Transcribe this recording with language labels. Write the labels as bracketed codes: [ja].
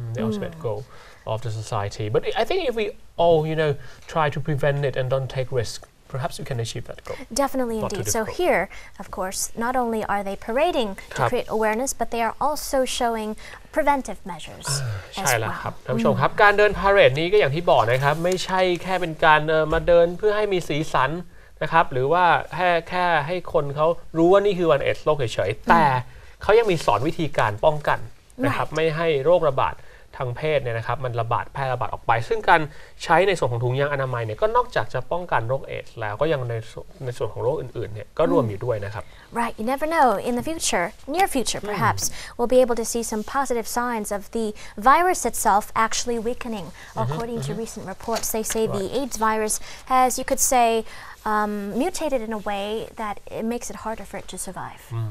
[en] The ultimate goal of the society. But I think if we all, you know, try to prevent it and don't take risk, perhaps we can achieve that goal. Definitely, not indeed. So here, of course, not only are they parading to create awareness, but they are also showing preventive measures as well. [th] ใช่แล้วครับท่านผู้ชมครับการเดินพาเรดนี้ก็อย่างที่บอกนะครับไม่ใช่แค่เป็นการมาเดินเพื่อให้มีสีสันนะครับหรือว่าแค่ให้คนเขารู้ว่านี่คือวันเอดส์โลกเฉยๆแต่เขายังมีสอนวิธีการป้องกันนะครับไม่ให้โรคระบาดทางเพศเนี่ยนะครับมันระบาดแพร่ระบาดออกไปซึ่งการใช้ในส่วนของถุงยางอนามัยเนี่ยก็นอกจากจะป้องกันโรคเอดส์แล้วก็ยังในส่วนของโรคอื่นๆเนี่ยก็รวมอยู่ด้วยนะครับ [en] Right, you never know. In the future, near future perhaps, we'll be able to see some positive signs of the virus itself actually weakening. According to recent reports, they say the AIDS virus has, you could say, mutated in a way that it makes it harder for it to survive.